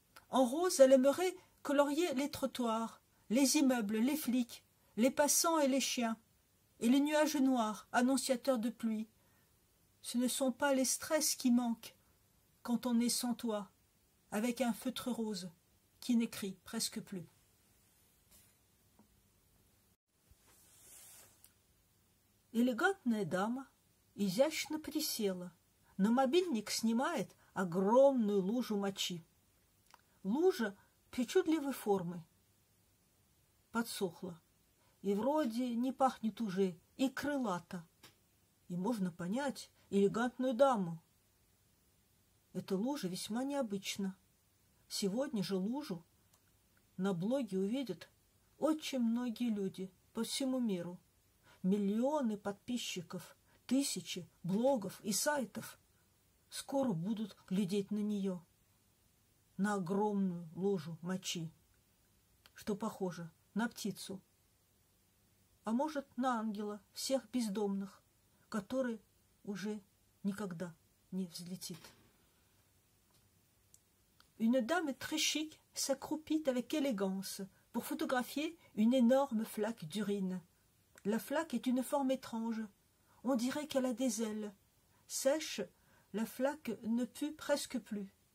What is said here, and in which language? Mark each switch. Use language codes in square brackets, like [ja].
[fr] En rose, elle aimerait colorier les trottoirs, les immeubles, les flics, les passants et les chiens, et les nuages noirs, annonciateurs de pluie. Ce ne sont pas les stress qui manquent quand on est sans toi, avec un feutre rose qui n'écrit presque plus. [ru] Элегантная дама изящно присела, на мобильник снимает огромную лужу мочи. Лужа причудливой формы. Подсохла. И вроде не пахнет уже, и крылата. И можно понять элегантную даму. Эта лужа весьма необычна. Сегодня же лужу на блоге увидят очень многие люди по всему миру. Миллионы подписчиков, тысячи блогов и сайтов скоро будут глядеть на нее, на огромную лужу мочи, что похоже на птицу, а может, на ангела всех бездомных, который уже никогда не взлетит. [fr] Une dame très chic s'accroupit avec élégance pour photographier une énorme flaque d'urine. La flaque est une forme étrange. On dirait qu'elle a des ailes. Sèche, la flaque ne pue presque plus.